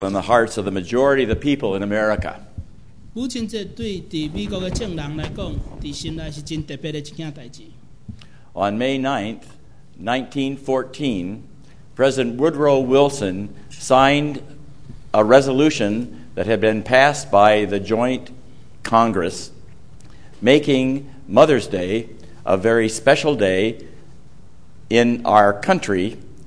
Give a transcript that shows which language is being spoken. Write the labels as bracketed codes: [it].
[en] in the hearts of the majority of the people in America. [nan] 母亲节对伫美国嘅正人来讲，伫心内是真特别的一件代志。 [en] On May 9th, 1914, President Woodrow Wilson signed a resolution that had been passed by the Joint Congress, making Mother's Day a very special day in our country.